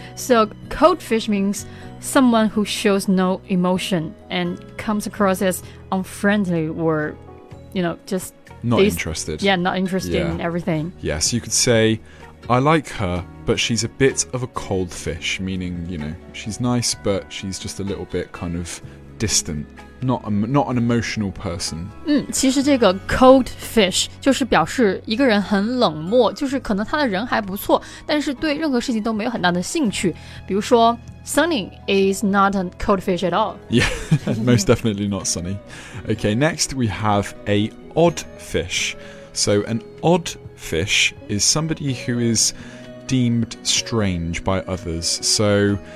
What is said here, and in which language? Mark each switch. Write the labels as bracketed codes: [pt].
[en] So, cold fish means someone who shows no emotion and comes across as unfriendly or, you know, just... Not interested. Yeah, not interested in everything. Yeah, so you could say, I like her, but she's a bit of a cold fish, meaning, you know, she's nice, but she's just a little bit kind of... distant, not an emotional person. [zh] 其实这个 cold fish 就是表示一个人很冷漠，就是可能他的人还不错，但是对任何事情都没有很大的兴趣。比如说 [en] Sunny is not a cold fish at all. Yeah, most definitely not Sunny. Okay, next we have a odd fish. So an odd fish is somebody who is deemed strange by others. So...